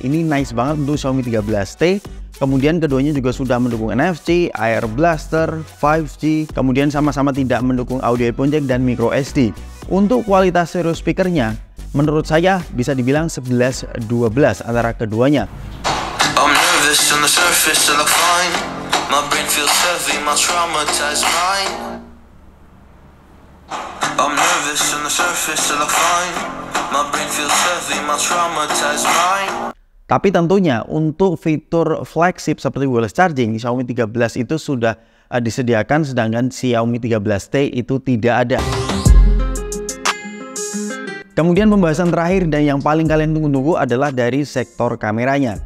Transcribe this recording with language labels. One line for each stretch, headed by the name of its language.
Indonesian: Ini nice banget untuk Xiaomi 13T. Kemudian keduanya juga sudah mendukung NFC, Air Blaster, 5G. Kemudian sama-sama tidak mendukung audio headphone jack dan micro SD. Untuk kualitas stereo speakernya, menurut saya bisa dibilang 11-12 antara keduanya.
English: I'm nervous on the surface, I look fine. My brain feels heavy, my traumatized mind. I'm nervous on the surface, I look fine. My brain feels heavy, my traumatized mind.
Indonesian: Tapi tentunya untuk fitur flagship seperti wireless charging, Xiaomi 13 itu sudah disediakan, sedangkan Xiaomi 13T itu tidak ada. Kemudian pembahasan terakhir dan yang paling kalian tunggu-tunggu adalah dari sektor kameranya.